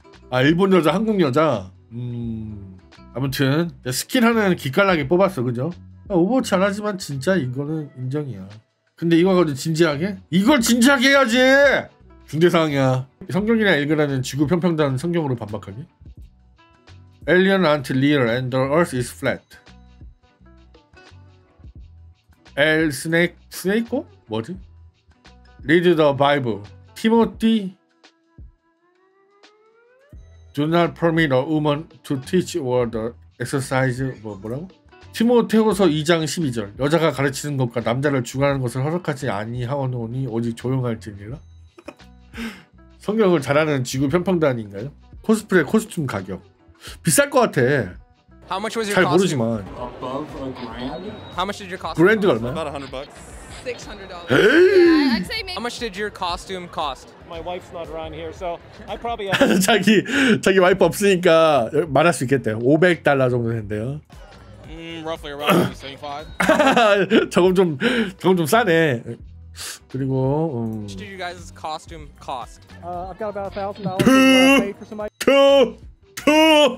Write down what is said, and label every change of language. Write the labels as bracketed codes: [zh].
[ko] 아 일본 여자 한국 여자. 아무튼 스킨 하나는 기깔나게 뽑았어 그죠? 오버워치 안 하지만 진짜 이거는 인정이야. 근데 이거 가지고 진지하게? 이걸 진지하게 해야지. 중대사항이야. 성경이나 읽으라는 지구 평평단 성경으로 반박하기. [en] Alien aren't real and the earth is flat. [ko] 엘 스네이크 뭐지? [en] read the Bible. Timothy, do not permit a woman to teach or the exercise. [ko] 뭐 뭐라고? 티모테후서 2장 12절. 여자가 가르치는 것과 남자를 주관하는 것을 허락하지 아니하오니 오직 조용할지니라. 성경을 잘하는 지구 편평단인가요? 코스프레 코스튬 가격 비쌀 것 같아. [en] How much was your [ko] 잘 모르지만. [en] Above a grand? How much did your costume? [ko] 그랜드 얼마? [en] About $100. $600. Hey! How much did your costume cost? My wife's not around here, so I probably. [ko] 자기 와이프 없으니까 말할 수 있겠대. 500달러 정도 된대요. [en] Roughly around $75. [ko] 조금 좀 싸네. 그리고 [en] How much did you guys' costume cost? I've got about $1,000. Paid for some.